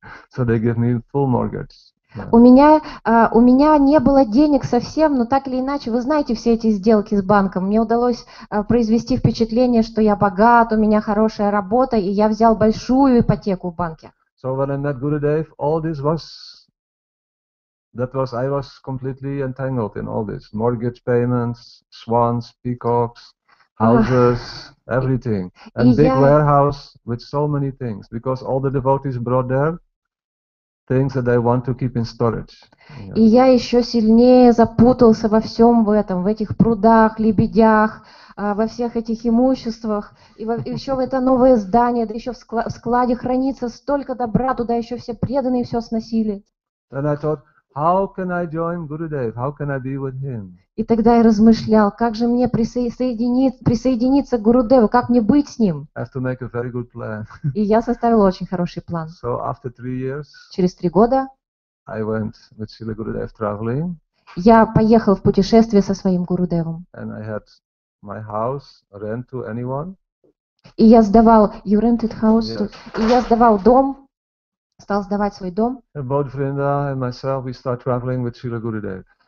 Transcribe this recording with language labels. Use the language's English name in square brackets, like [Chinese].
[English] So they give me full mortgage. Yeah. [Russian] У меня не было денег совсем, но так или иначе, вы знаете все эти сделки с банком. Мне удалось произвести впечатление, что я богат, у меня хорошая работа, и я взял большую ипотеку в банке. [English] So when I met Gurudev, all this was, that was, I was completely entangled in all this. Mortgage payments, swans, peacocks, houses, everything. And big warehouse with so many things. Because all the devotees brought there things that they want to keep in storage. [Russian] И я еще сильнее запутался во всем этом, в этих прудах, лебедях, во всех этих имуществах. И еще в это новое здание, да еще в складе хранится столько добра, туда еще все преданные все сносили. [English] And I thought, how can I join Gurudev? How can I be with him? [Russian] И тогда я размышлял, как же мне присоединиться к Гурудеву, как мне быть с ним? [English] I have to make a very good plan. [Russian] И я составил очень хороший план. [English] So after 3 years, [Russian] через 3 года, [English] I went with Srila Gurudev traveling. [Russian] Я поехал в путешествие со своим Гурудевом. [English] And I had my house rent to anyone. [Russian] И я сдавал, [English] you rented house to, [Russian] и я сдавал дом. Стал сдавать свой дом. [English] About Vrinda and myself, we start traveling with Srila Gurudev.